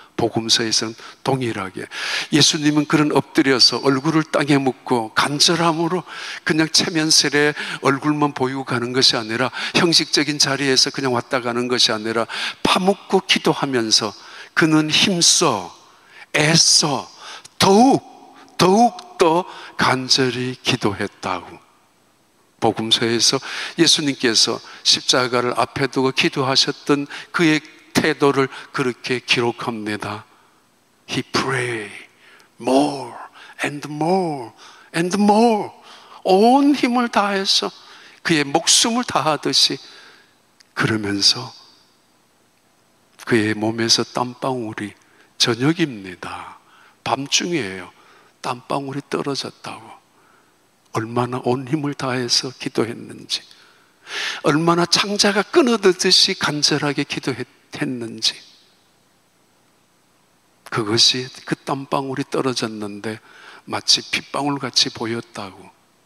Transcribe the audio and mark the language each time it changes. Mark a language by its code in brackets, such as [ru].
[ko] 복음서에서는 동일하게. 예수님은 그런 엎드려서 얼굴을 땅에 묻고 간절함으로 그냥 체면실에 얼굴만 보이고 가는 것이 아니라 형식적인 자리에서 그냥 왔다 가는 것이 아니라 파묻고 기도하면서 그는 힘써, 애써, 더욱더 간절히 기도했다고. 복음서에서 예수님께서 십자가를 앞에 두고 기도하셨던 그의 태도를 그렇게 기록합니다. [en] He prayed more and more and more. [ko] 온 힘을 다해서 그의 목숨을 다하듯이 그러면서 그의 몸에서 땀방울이, 저녁입니다. 밤중이에요. 땀방울이 떨어졌다고. 얼마나 온 힘을 다해서 기도했는지, 얼마나 창자가 끊어들듯이 간절하게 기도했는지, 그것이 그 땀방울이 떨어졌는데 마치 핏방울같이 보였다고.